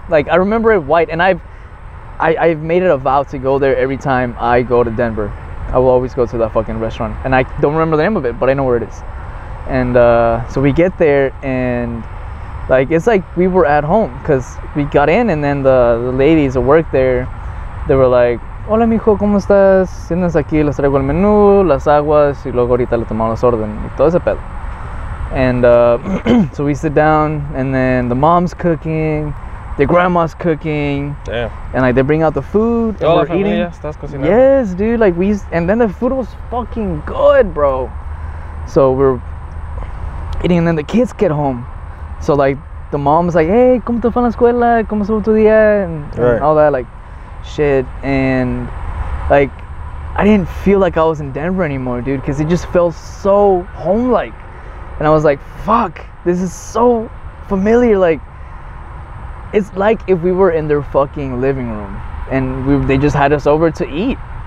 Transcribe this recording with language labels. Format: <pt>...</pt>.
<en>Like, I remember it white, and I've made it a vow to go there every time I go to Denver. I will always go to that fucking restaurant. And I don't remember the name of it, but I know where it is. And so we get there, and like, it's like we were at home, because we got in, and then the ladies that work there, they were like,</en> <es>hola, mijo, ¿cómo estás? Siéntense aquí, les traigo el menú, las aguas, y luego ahorita le tomamos las órdenes, y todo ese pedo.</es> <en>And so we sit down, and then the mom's cooking, the grandma's cooking. Damn. And like, they bring out the food, and we're eating. Yes, dude, like, and then the food was fucking good, bro. So we're eating, and then the kids get home. So like, the mom's like, hey,</en> <es>¿cómo te fue la escuela? ¿Cómo estuvo tu día?</es> <en>And all that, like, shit. And like, I didn't feel like I was in Denver anymore, dude, because it just felt so home-like. And I was like, fuck, this is so familiar. Like, it's like if we were in their fucking living room and they just had us over to eat.</en>